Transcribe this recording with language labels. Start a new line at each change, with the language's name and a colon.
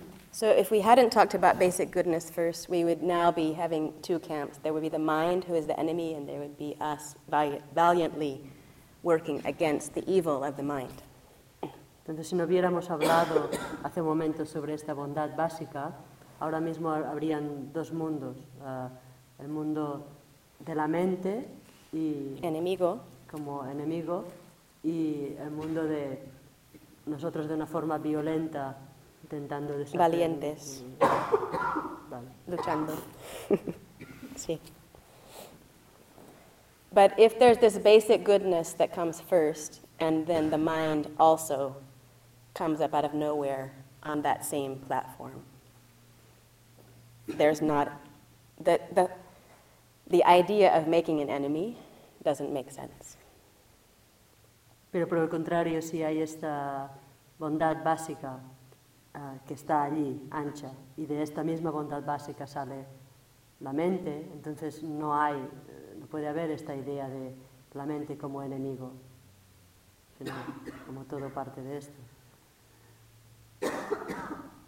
English: So if we hadn't talked about basic goodness first, we would now be having two camps. There would be the mind, who is the enemy, and there would be us valiantly working against the evil of the mind.
Spanish: Entonces, si no hubiéramos hablado hace un momento sobre esta bondad básica, ahora mismo habrían dos mundos, el mundo de la mente y enemigo. Como enemigo, y el mundo de nosotros de una forma violenta, intentando deshacer. Valientes. Luchando. Sí.
English: But if there's this basic goodness that comes first, and then the mind also comes up out of nowhere on that same platform. There's not the idea of making an enemy doesn't make sense.
Spanish: Pero por el contrario, si hay esta bondad básica que está allí ancha y de esta misma bondad básica sale la mente, entonces no puede haber esta idea de la mente como enemigo, sino como todo parte de esto.